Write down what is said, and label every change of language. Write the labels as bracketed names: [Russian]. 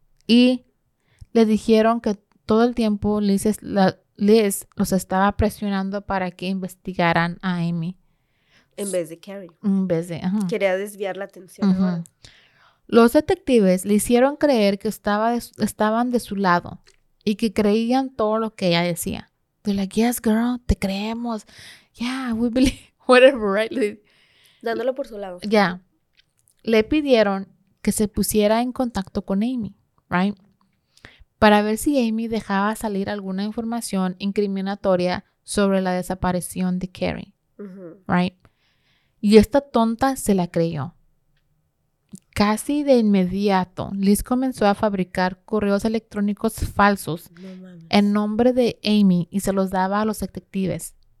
[Spanish] Y le dijeron que todo el tiempo Liz los estaba presionando para que investigaran a Amy. En vez de Carrie. Quería desviar la atención. Los detectives le hicieron creer que estaban de su lado y que creían todo lo que ella decía. [English] They're like, yes, girl, [Spanish] te creemos. [English] Yeah, we believe, whatever, right? [Spanish] Dándolo por su lado. [English] Yeah. [Spanish] Le pidieron que se pusiera en contacto con Amy, right? Para ver si Amy dejaba salir alguna información incriminatoria sobre la desaparición de Carrie, right? Y esta tonta se la creyó. Casi de inmediato, Liz comenzó a fabricar correos electrónicos falsos en nombre de Amy y se los daba a los detectives.